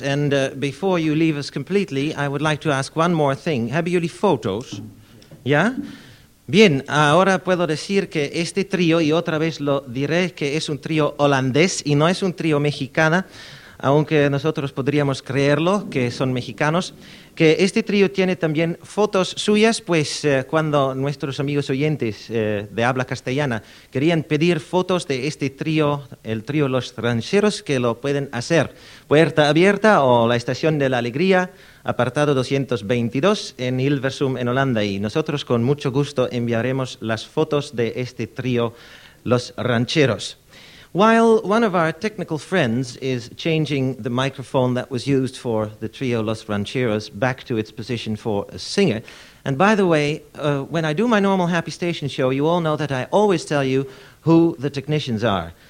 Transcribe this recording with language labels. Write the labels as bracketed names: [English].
[English] And before you leave us completely, I would like to ask one more thing. Have you any photos? Yeah? [Spanish] Bien, ahora puedo decir que este trío, y otra vez lo diré, que es un trío holandés y no es un trío mexicana. aunque nosotros podríamos creerlo, que son mexicanos, que este trío tiene también fotos suyas, pues cuando nuestros amigos oyentes de habla castellana querían pedir fotos de este trío, el trío Los Rancheros, que lo pueden hacer. Puerta Abierta o la Estación de la Alegría, apartado 222 en Hilversum, en Holanda. Y nosotros con mucho gusto enviaremos las fotos de este trío Los Rancheros. [English] While one of our technical friends is changing the microphone that was used for the trio Los Rancheros back to its position for a singer, and by the way, when I do my normal Happy Station show, you all know that I always tell you who the technicians are.